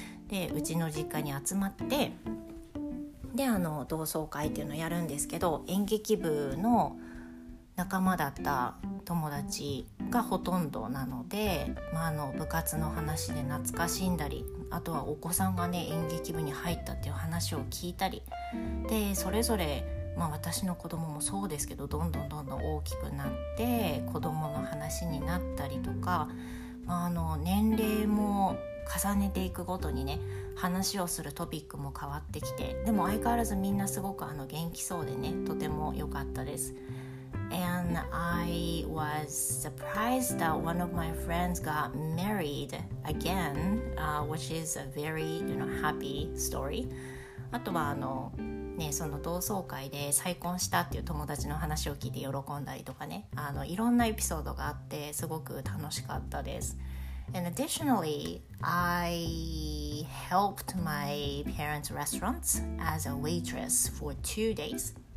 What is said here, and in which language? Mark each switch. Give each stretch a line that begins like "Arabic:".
Japanese: でうちの実家に集まって、で同窓会っていうのをやるんですけど、演劇部の仲間だった友達がほとんどなので、部活の話で懐かしんだり、あとはお子さんがね演劇部に入ったっていう話を聞いたりで、それぞれ、私の子供もそうですけど、どんどんどんどん大きくなって子供の話になったりとか、年齢も重ねていくごとにね、話をするトピックも変わってきて、でも相変わらずみんなすごく元気そうでね、とても良かったです。
English: And I was surprised that one of my friends got married again, which is a very, happy story.
Japanese: あとはその同窓会で再婚したっていう友達の話を聞いて喜んだりとかね、いろんなエピソードがあってすごく楽しかったです。
English: And additionally, I helped my parents' restaurants as a waitress for 2 days.